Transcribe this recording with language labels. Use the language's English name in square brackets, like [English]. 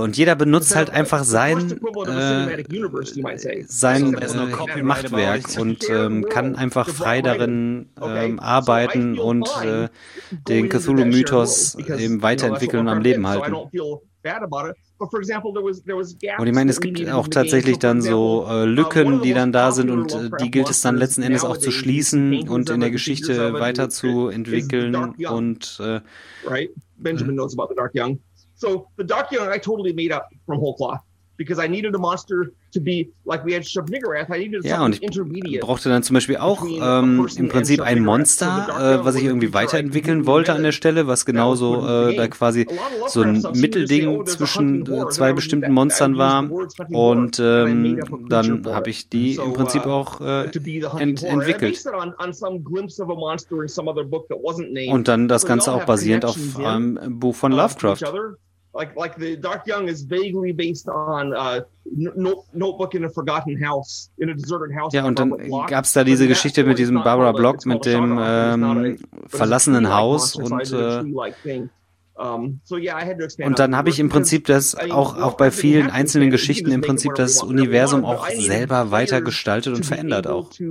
[German] Und jeder benutzt halt einfach sein Machtwerk und kann einfach frei darin arbeiten und den Cthulhu-Mythos eben weiterentwickeln und am Leben halten. Und ich meine, es gibt auch tatsächlich dann so Lücken, die dann da sind und die gilt es dann letzten Endes auch zu schließen und in der Geschichte weiterzuentwickeln und [English] right? Benjamin knows about the Dark Young. So the Dark Young I totally made up from whole cloth. Because I needed a monster to be like we had Shub-Niggurath. I needed something intermediate. [German] Ich brauchte dann zum Beispiel auch im Prinzip ein Monster, was ich irgendwie weiterentwickeln wollte an der Stelle, was genauso da quasi so ein Mittelding zwischen zwei bestimmten Monstern war. Und dann habe ich die im Prinzip auch entwickelt. Und dann das Ganze auch basierend auf einem Buch von Lovecraft. [English] Like the Dark Young is vaguely based on a notebook in a forgotten house, in a deserted house. [German] Ja, und dann gab es da diese Geschichte mit diesem Barbara Block, mit dem verlassenen Haus und und dann habe ich im Prinzip das auch bei vielen einzelnen Geschichten im Prinzip das Universum auch selber weiter gestaltet und verändert auch.